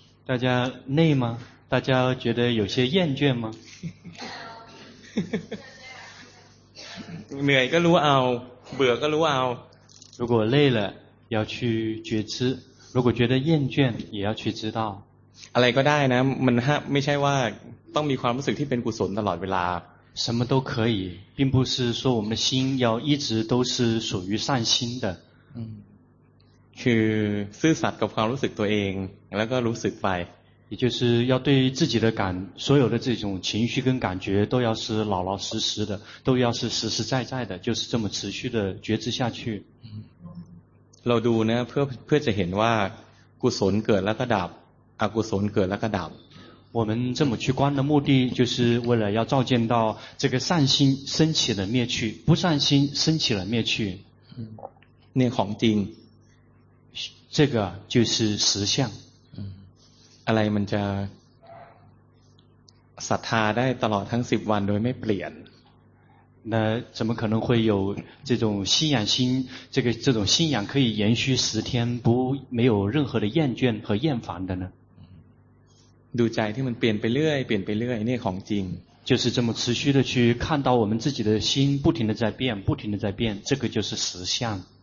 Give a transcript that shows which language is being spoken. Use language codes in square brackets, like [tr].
[zh] 大家累吗大家觉得有些厌倦吗 [th] เหนื่อยก็รู้เอาเบื่อก็รู้เอา [zh] 如果累了要去觉知如果觉得厌倦也要去知道 [th] อะไรก็ได้นะมันไม่ใช่ว่าต้องมีความรู้สึกที่เป็นกุศลตลอดเวลา [zh] 什么都可以并不是说我们的心要一直都是属于善心的 [th] คือซื่อสัตย์กับความรู้สึกตัวเองแล้วก็รู้สึกไป [zh] 也就是要对自己的感所有的这种情绪跟感觉都要是老老实实的都要是实实在在的就是这么持续的觉知下去 [th] เราดูนะเพื่อจะเห็นว่ากุศลเกิดแล้วก็ดับอกุศลเกิดแล้วก็ดับ [zh] 我们这么去观的目的就是为了要照见到这个善心升起了灭去不善心升起了灭去 [th] เนี่ยของจริง [zh] 这个就是实相 [th] อะไรมันจะศรัทธาได้ตลอดทั้ง10วันโดยไม่เปลี่ยน [zh] 那怎么可能会有这种信仰心这种信仰可以延续十天不没有任何的厌倦和厌烦的呢 [th] ดูใจที่มันเปลี่ยนไปเรื่อยเปลี่ยนไปเรื่อยนี่ของจริง [zh] 就是这么持续的去看到我们自己的心不停的在变不停的在变这个就是实相